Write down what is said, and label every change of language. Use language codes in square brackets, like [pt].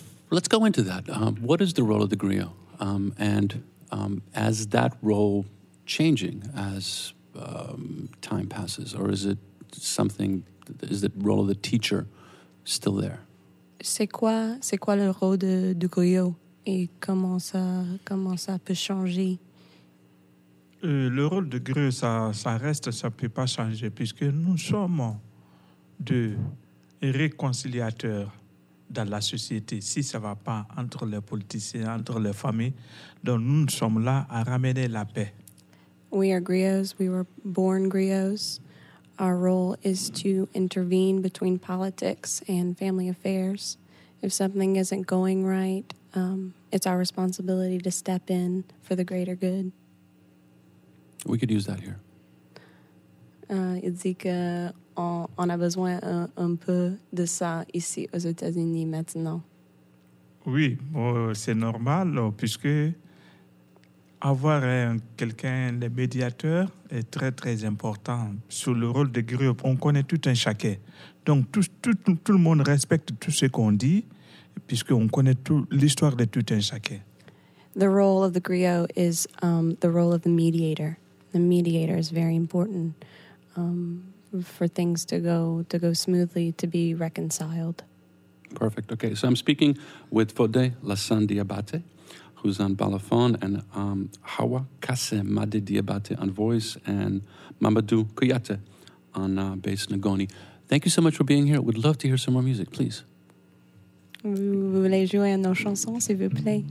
[en] Let's go into that. What is the role of the griot? As that role changing as time passes, or is it something, is the role of the teacher still there? [fr] C'est quoi le rôle de griot et comment ça peut changer? Le rôle de griot, ça reste, ça ne peut pas changer, puisque nous sommes des réconciliateurs dans la société. Si ça ne va pas entre les politiciens, entre les familles, donc nous sommes là à ramener la paix. [en] We are griots, we were born griots. Our role is to intervene between politics and family affairs. If something isn't going right, it's our responsibility to step in for the greater good. We could use that here. [fr] Il dit qu'on a besoin un peu de ça ici aux États-Unis maintenant. Oui, c'est normal, puisque avoir quelqu'un de médiateur est très, très important. Sur le rôle de griot, on connaît tout un chacun. Donc, tout le monde respecte tout ce qu'on dit, puisqu'on connaît tout, l'histoire de tout un chacun. [en] The role of the griot is the role of the mediator. The mediator is very important for things to go smoothly, to be reconciled. Perfect. Okay, so I'm speaking with Fode Lassan Diabate, who's on Balafon, and Hawa Kase Made Diabate on voice, and Mamadou Kuyate on bass Ngoni. Thank you so much for being here. We'd love to hear some more music, please. [fr] Vous voulez jouer à nos chansons, s'il vous plaît?